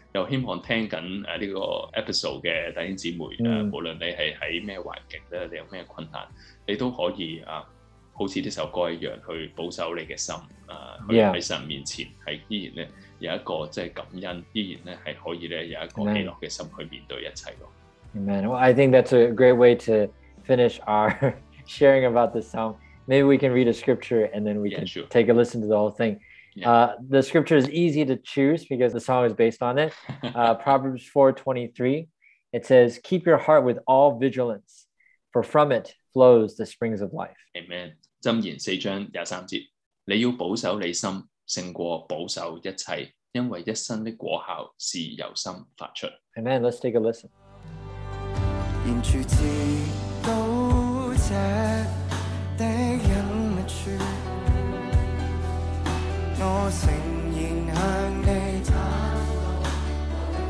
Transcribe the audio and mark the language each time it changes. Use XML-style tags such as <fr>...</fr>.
<yue>又希望聽緊呢個 episode 嘅弟兄姊妹啊，無論你係喺咩環境咧，你有咩困難，你都可以啊，好似呢首歌一樣去保守你嘅心啊，去喺神面前係依然咧有一個即係感恩，依然咧係可以咧有一個喜樂嘅心去面對一切咯。</yue> <en>Amen. Well, I think that's a great way to finish our sharing about this song. Maybe we can read a scripture and then we can take a listen to the whole thing. The scripture is easy to choose because the song is based on it. Proverbs 4:23, it says, keep your heart with all vigilance, for from it flows the springs of life. Amen.</en> <yue>箴言四章廿三节，你要保守你心，胜过保守一切，因为一生的果效是由心发出。</yue> <en>Amen. Let's take a listen.</en> <yue>沿住至高者的隐密处我誠然向你坦露，</yue>